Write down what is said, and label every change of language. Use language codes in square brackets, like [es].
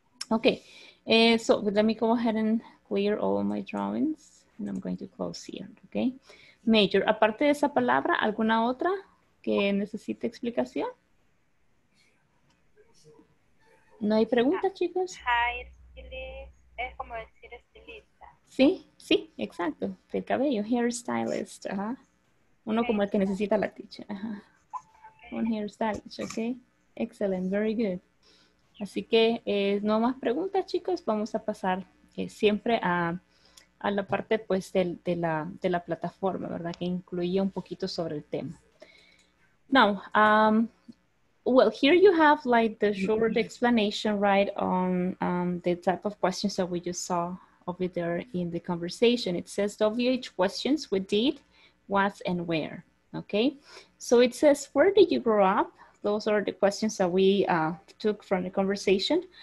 [en] Okay, so let me go ahead and clear all my drawings and I'm going to close here, okay? [es] Major, aparte de esa palabra, ¿alguna otra que necesite explicación? ¿No hay preguntas, chicos? Es como decir estilista. Sí, sí, exacto. Del cabello, hairstylist. Ajá. Uno okay. Como el que necesita la teacher. Ajá. Okay. Un hairstylist, ok. [en] Excellent, very good. [es] Así que no más preguntas, chicos. Vamos a pasar siempre a la parte pues de la plataforma, ¿verdad? Que incluía un poquito sobre el tema. [en] Now, well, here you have like the short explanation, right, on the type of questions that we just saw over there in the conversation. It says WH questions with did, what, and where. Okay, so it says, where did you grow up? Those are the questions that we took from the conversation.